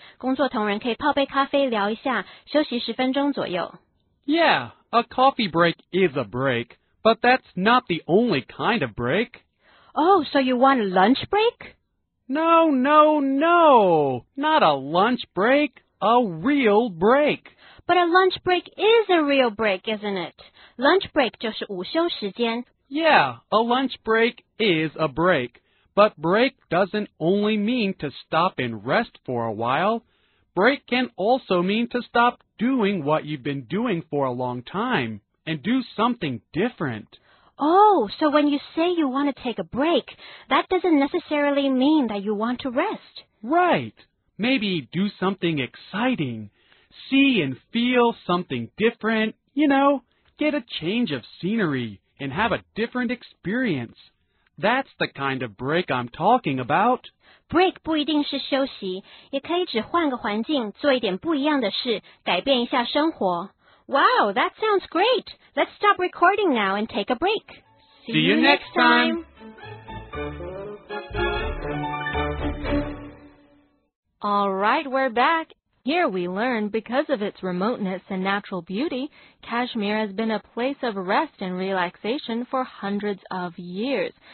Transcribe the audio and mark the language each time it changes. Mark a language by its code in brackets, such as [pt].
[zh] 工作同仁可以泡杯咖啡聊一下，休息十分钟左右。 [en] Yeah, a coffee break is a break, but that's not the only kind of break. Oh, so you want a lunch break? No, not a lunch break, a real break. But a lunch break is a real break, isn't it? [zh] Lunch break 就是午休时间。 [en] Yeah, a lunch break is a break. But break doesn't only mean to stop and rest for a while. Break can also mean to stop doing what you've been doing for a long time and do something different. Oh, so when you say you want to take a break, that doesn't necessarily mean that you want to rest. Right. Maybe do something exciting. See and feel something different, you know, get a change of scenery and have a different experience. That's the kind of break I'm talking about. [zh] Break 不一定是休息，也可以指换个环境，做一点不一样的事，改变一下生活。 [en] Wow, that sounds great. Let's stop recording now and take a break. See you next time. All right, we're back. Here we learn, because of its remoteness and natural beauty, Kashmir has been a place of rest and relaxation for hundreds of years.